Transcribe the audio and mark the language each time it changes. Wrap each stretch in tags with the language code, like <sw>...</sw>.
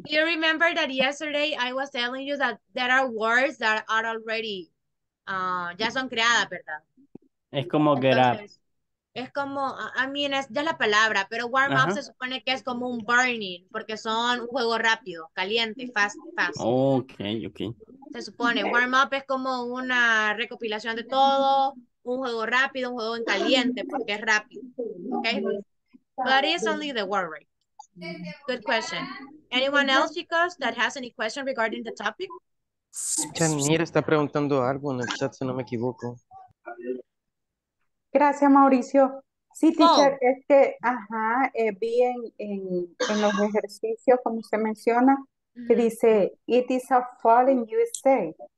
<en>You remember that yesterday I was telling you that there are words that are already,</en> <es>ya son creadas, ¿verdad? Es como entonces,</es> <en>get up.</en> <es>Es como,</es> <en>I mean,</en> <es>es ya la palabra, pero warm up se supone que es como un burning, porque son un juego rápido, caliente, fast, fast.</es> <en>Okay, okay.</en> <es>Se supone, warm up es como una recopilación de todo, un juego rápido, un juego en caliente, porque es rápido, okay?</es> <en>But it's only the word, right? Good question. Anyone else, chicos, that has any question regarding the topic?</en> <es>Chanir está preguntando algo en el chat, si no me equivoco. Gracias, Mauricio. Sí, teacher, es que, ajá, vi en los ejercicios, como se menciona, que dice,</es> <en>it is a fall in USA.</en>